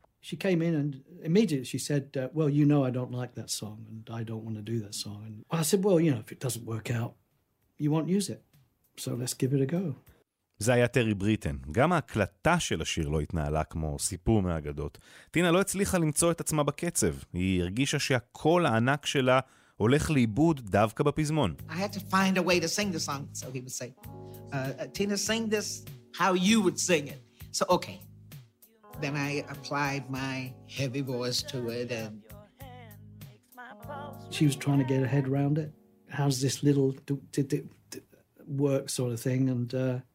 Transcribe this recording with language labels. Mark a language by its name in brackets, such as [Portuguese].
[English] She came in and immediately she said, well, you know I don't like that song and I don't want to do that song. And I said, well, you know, if it doesn't work out, you won't use it. So let's give it a go. [Hebrew] זה היה טרי בריטן. גם ההקלטה של השיר לא התנהלה כמו סיפור מהאגדות. טינה לא הצליחה למצוא את עצמה בקצב. היא הרגישה שהכל הענק שלה הולך לאיבוד דווקא בפזמון. [English] I had to find a way to sing the song, so he would say. Tina, sing this how you would sing it. So, okay. Then I applied my heavy voice to it. She was trying to get her head around it. How's this little work sort of thing? And...